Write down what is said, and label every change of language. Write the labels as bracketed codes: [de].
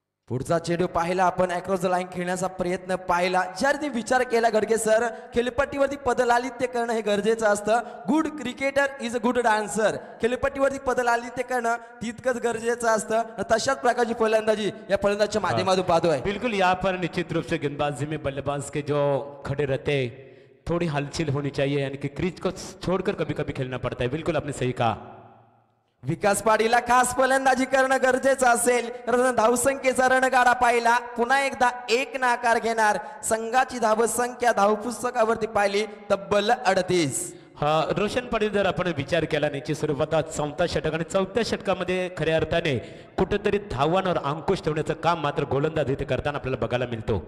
[mr] पुढचा चेंडू पाहिला आपण, अक्रॉस द लाईन खेळण्याचा प्रयत्न पाहिला, ज्यांनी विचार केला गडगे सर खेळपट्टीवरती पदलालित्य करणं हे गरजेचं असतं, [en] good cricketer is a good dancer, [mr] खेळपट्टीवरती पदलालित्य करणं तितकंच गरजेचं असतं, तशाच प्रकारची फलंदाजी या फलंदाजच्या माध्यमातून पाहतोय। [hi] बिलकुल, या पर निश्चित रूप से गेंदबाजी में बल्लेबाज के जो खडे रहते थोडी हलचल होनी चाहिए, यानी कि क्रीज को छोड़कर कभी कभी खेलना पड़ता है, बिल्कुल आपने सही कहा। [mr] विकास पाडीला खास फलंदाजी करणं गरजेचं असेल, धावसंख्येचा रणगाडा पाहिला, पुन्हा एकदा एक नाकार घेणार, संघाची धावसंख्या धावपुस्तकावरती पाहिली तब्बल 38। हा रोशन पाडी जर आपण विचार केला, त्याची सुरुवात 7 षटक आणि 14 षटकामध्ये खऱ्या अर्थाने कुठेतरी धावांवर अंकुश ठेवण्याचं काम मात्र गोलंदाज इथे करताना आपल्याला बघायला मिळतो।